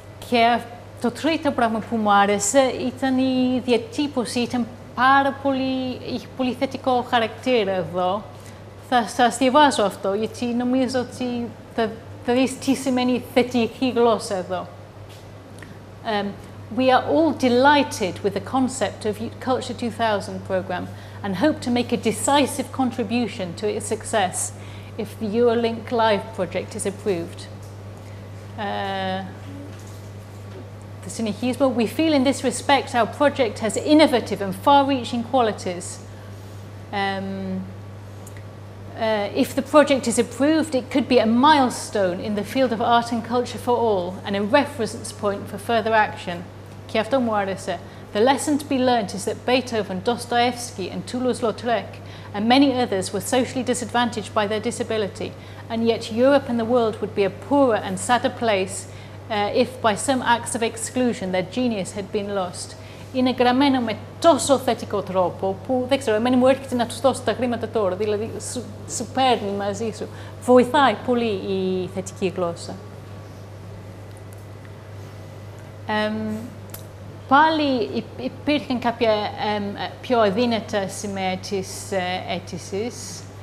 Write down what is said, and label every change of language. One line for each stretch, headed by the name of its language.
Greek: Και το τρίτο πράγμα που μου άρεσε ήταν η διατύπωση. Ήταν πάρα πολύ, είχε πολύ θετικό χαρακτήρα εδώ. Θα σας διαβάσω αυτό, γιατί νομίζω ότι θα δεις τι σημαίνει θετική γλώσσα εδώ.
English: We are all delighted with the concept of Culture 2000 program and hope to make a decisive contribution to its success if the Eurolink Live project is approved. The synergism, we feel in this respect our project has innovative and far-reaching qualities. If the project is approved, it could be a milestone in the field of art and culture for all and a reference point for further action. The lesson to be learnt is that Beethoven, Dostoevsky and Toulouse-Lautrec and many others were socially disadvantaged by their disability, and yet Europe and the world would be a poorer and sadder place if by some acts of exclusion their genius had been lost.
Greek: Είναι γραμμένο με τόσο θετικό τρόπο που δεν ξέρω, εμένα μου έρχεται να τους δώσω τα χρήματα τώρα, δηλαδή σου παίρνει μαζί σου. Βοηθάει πολύ η θετική γλώσσα. Πάλι υπήρχαν κάποια πιο αδύνατα σημεία της αίτησης.